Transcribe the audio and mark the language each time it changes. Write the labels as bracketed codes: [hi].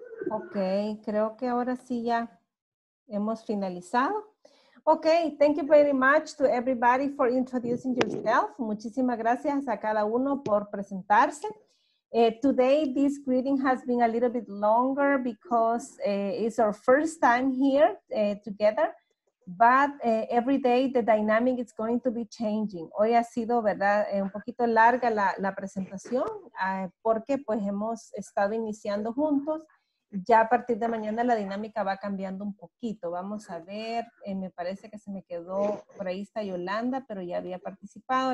[es] Okay, creo que ahora sí ya hemos finalizado. [en] Okay, thank you very much to everybody for introducing yourself. [es] Muchísimas gracias a cada uno por presentarse. [en] Today, this greeting has been a little bit longer because it's our first time here together, but every day the dynamic is going to be changing. [es] Hoy ha sido, ¿verdad?, un poquito larga la presentación porque pues hemos estado iniciando juntos. Ya a partir de mañana la dinámica va cambiando un poquito. Vamos a ver, me parece que se me quedó, por ahí está Yolanda, pero ya había participado.